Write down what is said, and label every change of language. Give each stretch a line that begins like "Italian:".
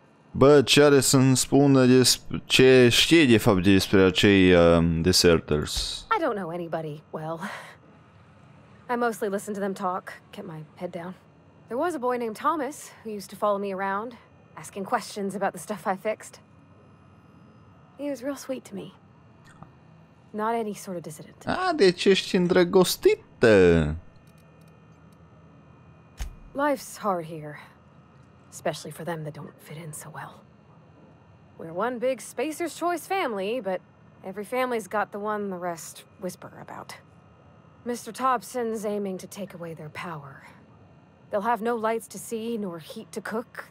Romanian: Bă, ce are să-mi spună despre... Ce știe, de fapt, despre acei deserters?
English: I don't know anybody well. I mostly listen to them talk, kept my head down. There was a boy named Thomas who used to follow me around, asking questions about the stuff I fixed. He was real sweet to me. Not any sort of dissident.
Romanian: Ah, deci ești îndrăgostită!
English: Life's hard here. Especially for them that don't fit in so well. We're one big spacer's choice family, but every family's got the one the rest whisper about. Mr. Thompson's aiming to take away their power. They'll have no lights to see, nor heat to cook.